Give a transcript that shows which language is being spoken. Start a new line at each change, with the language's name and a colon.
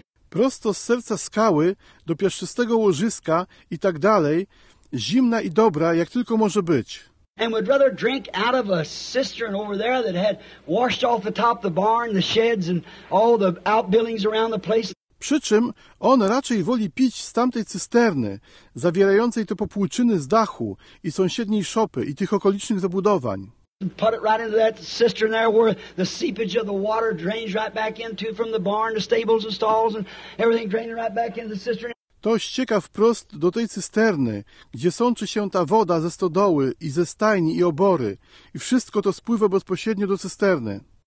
Polish: Prosto z serca skały do piaszczystego łożyska i tak dalej, zimna i dobra, jak tylko może być.
English: And would rather drink out of a cistern over there that had washed off the top of the barn, the sheds and all the outbuildings around the place.
Polish: Przy czym on raczej woli pić z tamtej cysterny, zawierającej te popłuczyny z dachu i sąsiedniej szopy i tych okolicznych zabudowań.
English: Put it right into that cistern there where the seepage of the water drains right back into from the barn, the stables and stalls and everything drains right back into the cistern.
Polish: To ścieka wprost do tej cysterny, gdzie sączy się ta woda ze stodoły i ze stajni i obory. I wszystko to spływa bezpośrednio do cysterny.